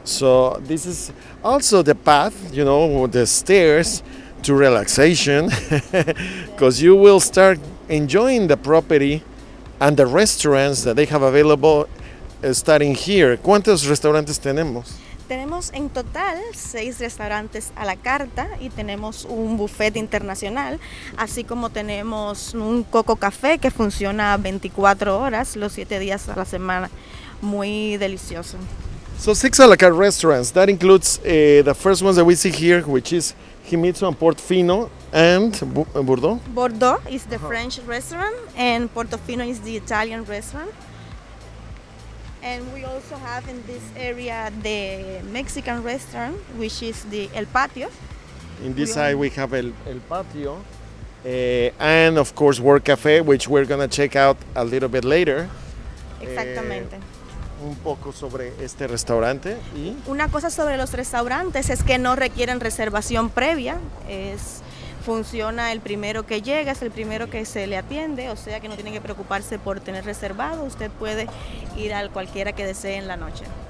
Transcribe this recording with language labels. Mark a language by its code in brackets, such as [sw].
[en] So this is also the path, you know, the stairs to relaxation, because you will start enjoying the property and the restaurants that they have available starting here. [es] ¿Cuántos restaurantes tenemos? Tenemos en total 6 restaurantes a la carta y tenemos un buffet internacional, así como tenemos un Coco Café que funciona 24 horas los 7 días a la semana. Muy delicioso. [en] So 6 a la carte restaurants, that includes the first ones that we see here, which is Jimitsu and Portofino and Bordeaux. Bordeaux is the French restaurant and Portofino is the Italian restaurant. And we also have in this area the Mexican restaurant, which is the El Patio. In this side we have El Patio and of course Work Cafe, which we're gonna check out a little bit later. [es] Exactamente. Un poco sobre este restaurante. Y una cosa sobre los restaurantes es que no requieren reservación previa. Funciona el primero que llega, es el primero que se le atiende, o sea que no tiene que preocuparse por tener reservado. Usted puede ir al cualquiera que desee en la noche.